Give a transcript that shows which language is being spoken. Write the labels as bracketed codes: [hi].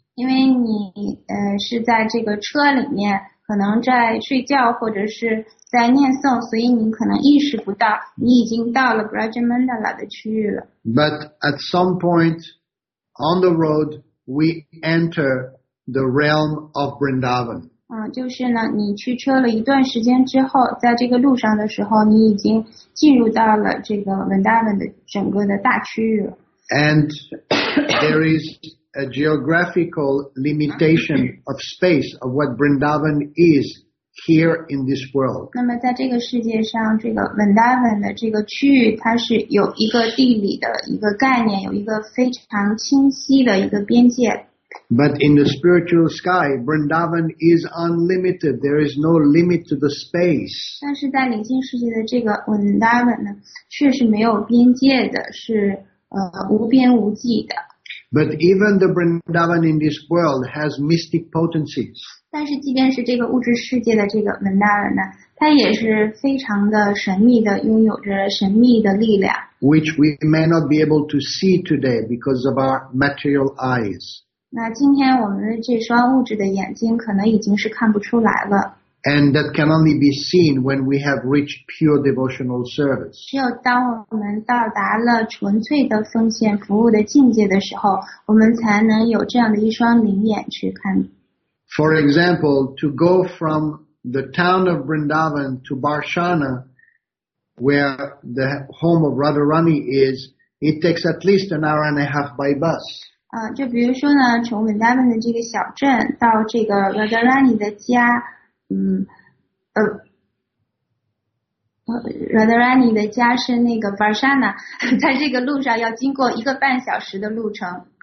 [zh] 因为你是在这个车里面，可能在睡觉或者是在念诵，所以你可能意识不到你已经到了 Braja Mandala 的区域了。 [en] But at some pointOn the road, we enter the realm of Vrindavan. [zh] 就是呢，你驱车了一段时间之后，在这个路上的时候，你已经进入到了这个 Vrindavan 的整个的大区域了。 [en] And there is a geographical limitation of space of what Vrindavan is here in this world. [zh] 那么在这个世界上，这个 Vrindavan 的这个区域，它是有一个地理的一个概念，有一个非常清晰的一个边界。 [en] But in the spiritual sky, Vrindavan is unlimited. There is no limit to the space. [zh] 但是在灵性世界的这个 Vrindavan 呢，却是没有边界的，是无边无际的。 [en] But even the Vrindavan in this world has mystic potencies. [zh] 但是即便是这个物质世界的这个 Vrindavan 呢，它也是非常的神秘的，拥有着神秘的力量。 [en] Which we may not be able to see today because of our material eyes. [zh] 那今天我们这双物质的眼睛可能已经是看不出来了。 [en] And that can only be seen when we have reached pure devotional service. [zh] 只有当我们到达了纯粹的奉献服务的境界的时候，我们才能有这样的一双灵眼去看。 [en] For example, to go from the town of Vrindavan to Barshana, where the home of Radharani is, it takes at least an hour and a half by bus. [zh] 就比如说呢，从 Vrindavan 的这个小镇到这个 Radharani 的家，Radharani 的家是那个 Varshana， 在这个路上要经过一个半小时的路程。